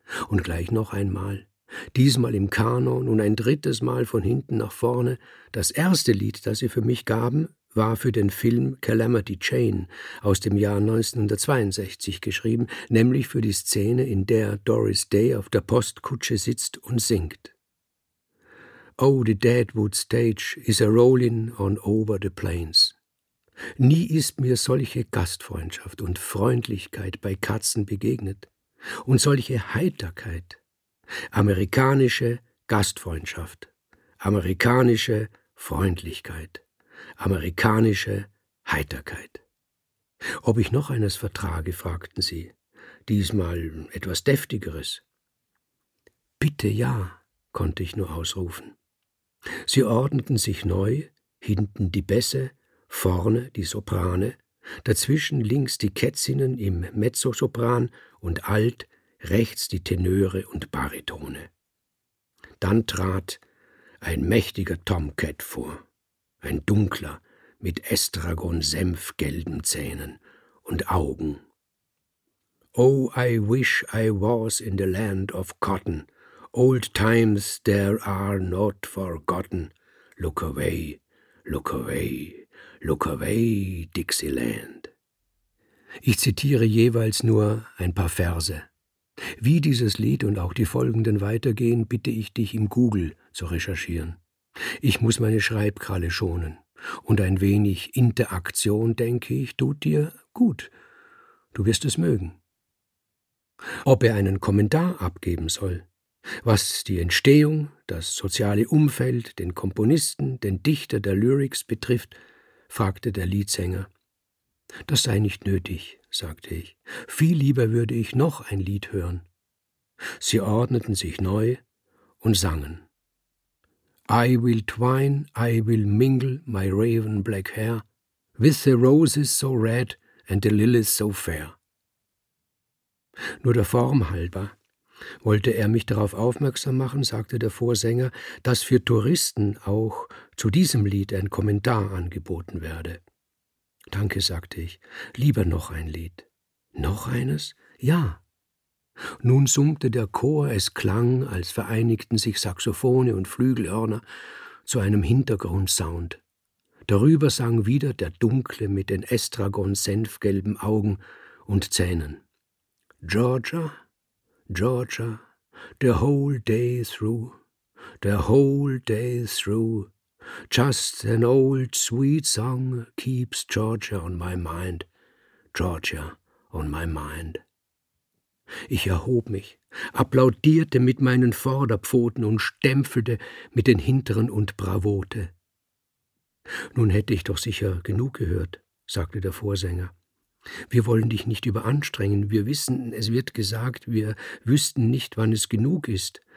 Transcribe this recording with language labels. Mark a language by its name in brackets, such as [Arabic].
[German] Und gleich noch einmal, diesmal im Kanon und ein drittes Mal von hinten nach vorne. Das erste Lied, das sie für mich gaben, war für den Film Calamity Jane aus dem Jahr 1962 geschrieben, nämlich für die Szene, in der Doris Day auf der Postkutsche sitzt und singt. [English] Oh, the Deadwood Stage is a rolling on over the plains. [German] Nie ist mir solche Gastfreundschaft und Freundlichkeit bei Katzen begegnet und solche Heiterkeit. Amerikanische Gastfreundschaft, amerikanische Freundlichkeit, amerikanische Heiterkeit. Ob ich noch eines vertrage, fragten sie, diesmal etwas Deftigeres. Bitte ja, konnte ich nur ausrufen. Sie ordneten sich neu, hinten die Bässe, vorne die Soprane, dazwischen links die Kätzinnen im Mezzosopran und alt rechts die Tenöre und Baritone. Dann trat ein mächtiger Tomcat vor, ein dunkler mit Estragon-Senf-gelben Zähnen und Augen. [English] Oh, I wish I was in the land of cotton. Old times there are not forgotten. Look away, look away, look away, Dixieland. [German] Ich zitiere jeweils nur ein paar Verse. Wie dieses Lied und auch die folgenden weitergehen, bitte ich dich im Google zu recherchieren. Ich muss meine Schreibkralle schonen. Und ein wenig Interaktion, denke ich, tut dir gut. Du wirst es mögen. Ob er einen Kommentar abgeben soll, was die Entstehung, das soziale Umfeld, den Komponisten, den Dichter der Lyrics betrifft, fragte der Liedsänger. Das sei nicht nötig, sagte ich. Viel lieber würde ich noch ein Lied hören. Sie ordneten sich neu und sangen. [English] I will twine, I will mingle my raven black hair with the roses so red and the lilies so fair. [German] Nur der Form halber wollte er mich darauf aufmerksam machen, sagte der Vorsänger, dass für Touristen auch zu diesem Lied ein Kommentar angeboten werde. Danke, sagte ich, lieber noch ein Lied. Noch eines? Ja. Nun summte der Chor, es klang, als vereinigten sich Saxophone und Flügelhörner zu einem Hintergrundsound. Darüber sang wieder der Dunkle mit den Estragon-senfgelben Augen und Zähnen. [English] Georgia, Georgia, the whole day through, the whole day through. Just an old sweet song keeps Georgia on my mind, Georgia on my mind. [German] Ich erhob mich, applaudierte mit meinen Vorderpfoten und stempelte mit den hinteren und bravote. Nun hätte ich doch sicher genug gehört, sagte der Vorsänger. Wir wollen dich nicht überanstrengen. Wir wissen, es wird gesagt, wir wüssten nicht, wann es genug ist.